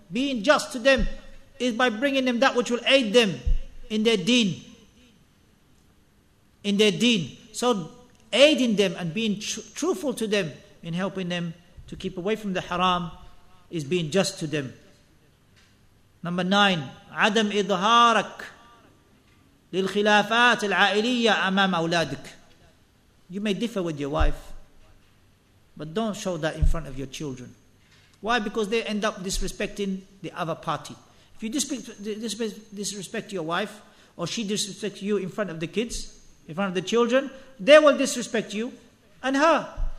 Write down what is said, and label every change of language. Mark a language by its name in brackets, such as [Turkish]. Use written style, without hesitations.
[English] Being just to them is by bringing them that which will aid them in their deen. In their deen. So aiding them and being truthful to them in helping them to keep away from the haram is being just to them. Number 9, [Arabic] عدم إظهارك للخلافات العائلية أمام أولادك. [English] You may differ with your wife, but don't show that in front of your children. Why? Because they end up disrespecting the other party. If you disrespect your wife, or she disrespects you in front of the kids, in front of the children, they will disrespect you and her.